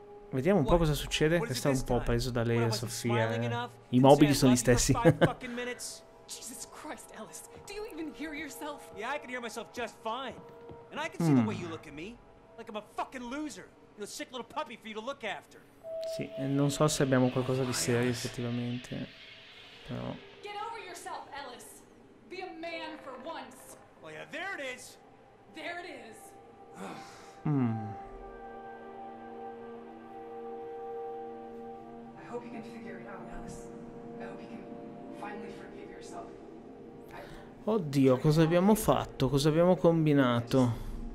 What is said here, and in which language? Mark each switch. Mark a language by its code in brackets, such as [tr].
[it] Vediamo un po' cosa succede. Questo è un po' preso da lei e Sofia. I mobili sono gli stessi. [en] Jesus Christ, Alice. Do you even hear yourself? Yeah, I can hear myself just fine. And I can see the way you look at me. Like I'm a fucking loser. A sick little puppy for you to look after. [it] Sì, non so se abbiamo qualcosa di serio effettivamente. Però. [en] Get over yourself, Ellis. Be a man for once. Well, yeah, there it is. There it is. I hope you can figure it out, Ellis. I hope you can finally forgive yourself. [it] Oddio, cosa abbiamo fatto? Cosa abbiamo combinato?